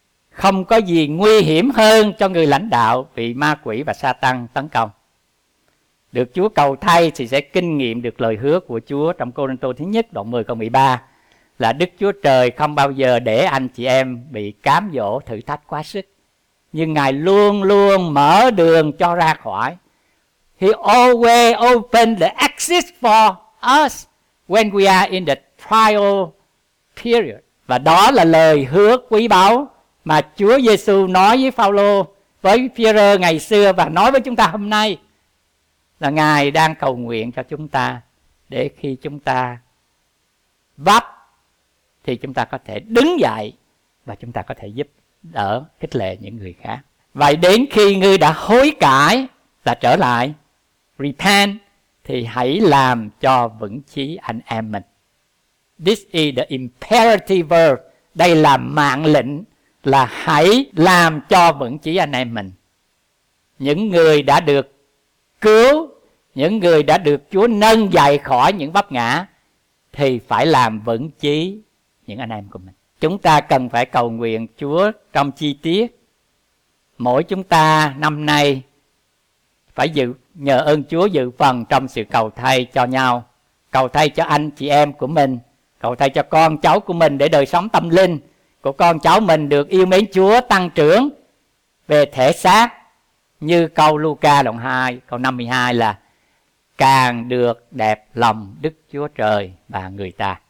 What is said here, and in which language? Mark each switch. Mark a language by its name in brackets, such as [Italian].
[Vietnamese] Không có gì nguy hiểm hơn cho người lãnh đạo bị ma quỷ và Satan tấn công. Được Chúa cầu thay thì sẽ kinh nghiệm được lời hứa của Chúa trong Cô-rinh-tô thứ nhất đoạn 10 câu 13 là Đức Chúa Trời không bao giờ để anh chị em bị cám dỗ thử thách quá sức, nhưng Ngài luôn luôn mở đường cho ra khỏi. [English] He always opens the exit for us when we are in the trial period. [Vietnamese] Và đó là lời hứa quý báu mà Chúa Giê-xu nói với Phao-lô, với Phi-e-rơ ngày xưa và nói với chúng ta hôm nay, là Ngài đang cầu nguyện cho chúng ta để khi chúng ta vấp thì chúng ta có thể đứng dậy và chúng ta có thể giúp đỡ, khích lệ những người khác. Vậy đến khi ngươi đã hối cải và trở lại, repent, thì hãy làm cho vững chí anh em mình. [English] This is the imperative verb. [Vietnamese] Đây là mạng lệnh, là hãy làm cho vững chí anh em mình. Những người đã được cứu, những người đã được Chúa nâng dậy khỏi những vấp ngã, thì phải làm vững chí những anh em của mình. Chúng ta cần phải cầu nguyện Chúa trong chi tiết. Mỗi chúng ta năm nay phải giữ, nhờ ơn Chúa giữ phần trong sự cầu thay cho nhau, cầu thay cho anh chị em của mình, cầu thay cho con cháu của mình để đời sống tâm linh của con cháu mình được yêu mến Chúa, tăng trưởng về thể xác, như câu Luca đoạn 2 câu 52 là càng được đẹp lòng Đức Chúa Trời và người ta.